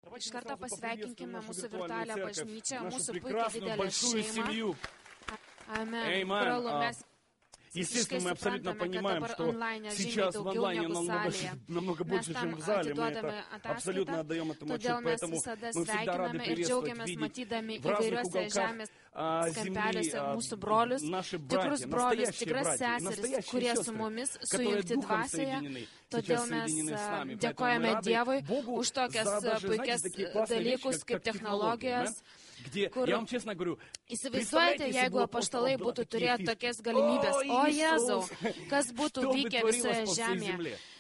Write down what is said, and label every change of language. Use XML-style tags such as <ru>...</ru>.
<lt>Iš karto pasveikinkime mūsų virtualią bažnyčią, mūsų puikiai didelę šeimą. Amen. Amen.</lt> <ru>Естественно, мы абсолютно понимаем, что сейчас в онлайне намного больше, чем в зале. Мы это абсолютно отдаем этому отчету. Поэтому мы всегда рады приветствовать, видеть в разных уголках земли наши братья, настоящие братья, настоящие сестры, которые духом соединены.</ru> <lt>Todėl mes dėkojame Dievui už tokias puikias dalykus, kaip technologijos, kur, įsivaizduojate, jeigu apaštalai būtų turėję tokias galimybės, o Jėzau, kas būtų vykę visoje žemėje.</lt>